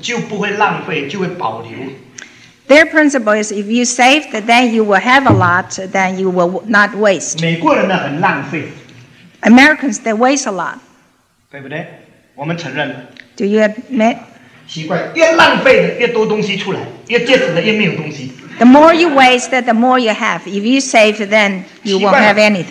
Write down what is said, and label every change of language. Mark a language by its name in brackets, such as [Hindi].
[Chinese] 他的理论是越节省就不会浪费，就会保留。 [English] Their principle is if you save, then you will have a lot, then you will not waste. [Chinese] 美国人呢很浪费。 [English] Americans, they waste a lot. [Chinese] 对不对？我们承认了。 [English] Do you admit? [Chinese] 习惯越浪费越多东西出来，越节省越没有东西。 [English] The more you waste, the more you have. If you save, then you won't have anything.